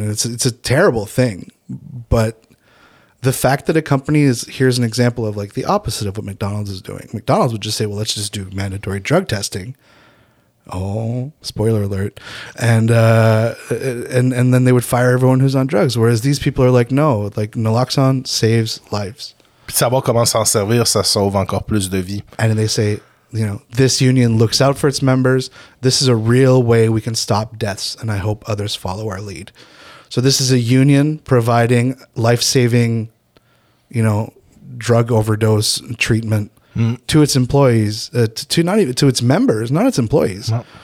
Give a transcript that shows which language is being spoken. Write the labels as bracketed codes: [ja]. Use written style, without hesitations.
[en] And it's a terrible thing. But the fact that a company is, here's an example of like the opposite of what McDonald's is doing. McDonald's would just say, well, let's just do mandatory drug testing. Oh, spoiler alert. And then they would fire everyone who's on drugs. Whereas these people are like, no, like naloxone saves lives. [fr] Puis savoir comment s'en servir, ça sauve encore plus de vie. [en] And they say, you know, this union looks out for its members. This is a real way we can stop deaths, and I hope others follow our lead. So this is a union providing life-saving, you know, drug overdose treatment to its employees, to not even to its members, not its employees. No.